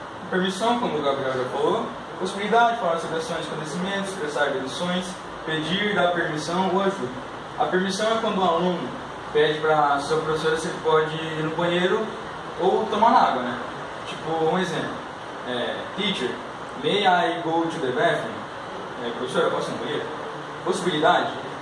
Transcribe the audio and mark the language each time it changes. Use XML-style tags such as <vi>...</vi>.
<pt>Permissão, como o Gabriel já falou. Possibilidade, falar sobre ações e acontecimentos, expressar deduções, pedir, dar permissão ou ajuda. A permissão é quando o aluno pede para a sua professora se ele pode ir no banheiro ou tomar água, né? Tipo, um exemplo.</pt> <en>Teacher, may I go to the bathroom?</en> <pt>Professora, posso ir no banheiro? Possibilidade?</pt>